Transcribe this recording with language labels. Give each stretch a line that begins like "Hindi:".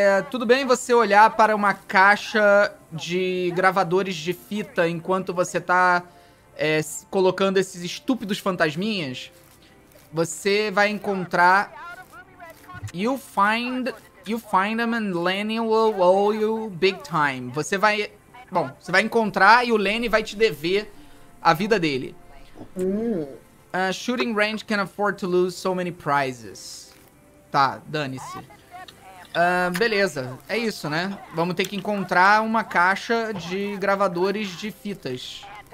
Portuguese: Tudo bem você olhar para uma caixa de gravadores de fita enquanto você tá colocando esses estúpidos fantasminhas? Você vai encontrar...
English: You find them and Lenny will owe you big time.
Portuguese: Você vai encontrar e o Lenny vai te dever... A vida dele.
English: Shooting range can afford to lose so many prizes.
Portuguese: Tá, dane-se. Beleza, é isso, né? Vamos ter que encontrar uma caixa de gravadores de fitas.